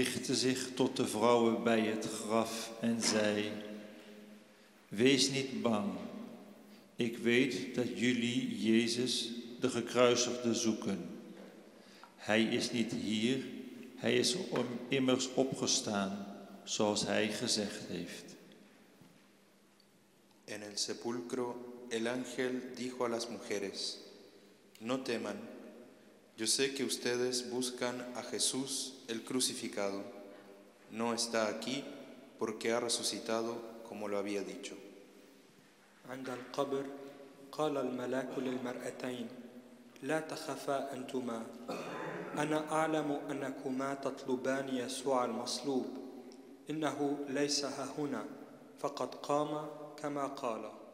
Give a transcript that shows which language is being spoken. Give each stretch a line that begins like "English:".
Dutch: Zich tot de vrouwen bij het graf en zei: "Wees niet bang. Ik weet dat jullie Jezus, de gekruisigde, zoeken. Hij is niet hier. Hij is immers opgestaan, zoals hij gezegd heeft."
Spanish: En el sepulcro el ángel dijo a las mujeres: No teman, yo sé que ustedes buscan a Jesús el crucificado. No está aquí porque ha resucitado como lo había dicho.
Arabic: عند القبر قال الملاك للمرأتين: لا تخفا أنتما، أنا أعلم أنكما تطلبان يسوع المصلوب، إنه ليس هنا، فقد قام كما قال.